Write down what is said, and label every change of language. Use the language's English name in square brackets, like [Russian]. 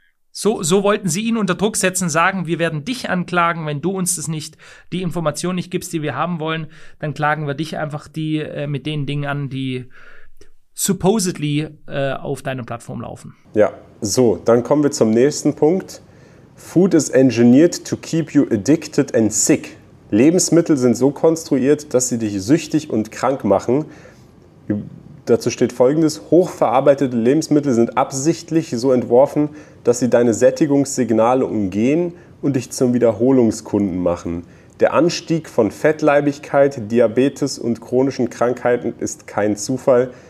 [German] So wollten sie ihn unter Druck setzen, sagen, wir werden dich anklagen, wenn du uns das nicht, die Information nicht gibst, die wir haben wollen, dann klagen wir dich einfach mit den Dingen an, die supposedly auf deiner Plattform laufen. Ja, so, dann kommen wir zum nächsten Punkt. [English] Food is engineered to keep you addicted and sick. [German] Lebensmittel sind so konstruiert, dass sie dich süchtig und krank machen. Dazu steht Folgendes: Hochverarbeitete Lebensmittel sind absichtlich so entworfen, dass sie deine Sättigungssignale umgehen und dich zum Wiederholungskunden machen. Der Anstieg von Fettleibigkeit, Diabetes und chronischen Krankheiten ist kein Zufall.